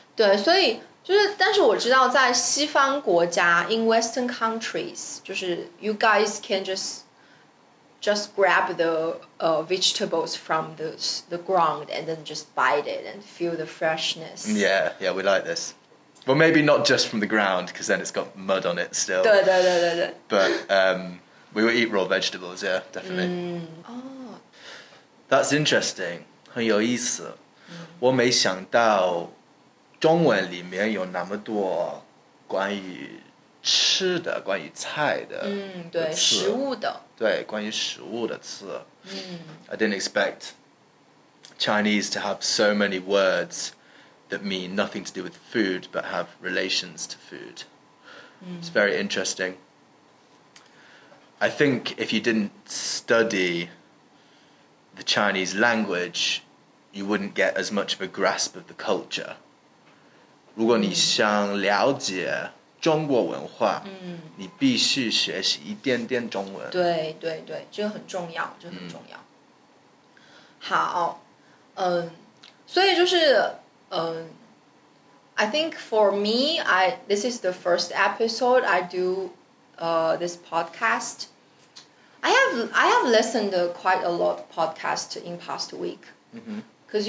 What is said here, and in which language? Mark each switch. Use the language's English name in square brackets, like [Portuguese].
[Chinese] 对，所以就是，但是我知道在西方国家, [English] in Western countries, [Chinese] 就是 [English] you guys can just grab the vegetables from the ground and then just bite it and feel the freshness. Yeah, yeah, we like this. Well, maybe not just from the ground, because then it's got mud on it still. [Chinese] 对对对对对。 [English] But we will eat raw vegetables, yeah, definitely. Mm. Oh. That's interesting. [Chinese] 很有意思。我没想到中文里面有那么多关于吃的关于菜的对食物的对关于食物的词、嗯、 [English] I didn't expect Chinese to have so many words that mean nothing to do with food but have relations to food、嗯、 It's very interesting I think if you didn't study the Chinese language you wouldn't get as much of a grasp of the culture [Chinese] 如果你想了解中国文化、嗯、你必须学习一点点中文对对对这很重要这很重要、嗯、好所以就是 [English] I think for me this is the first episode I do this podcast I have listened quite a lot of podcasts in past week because、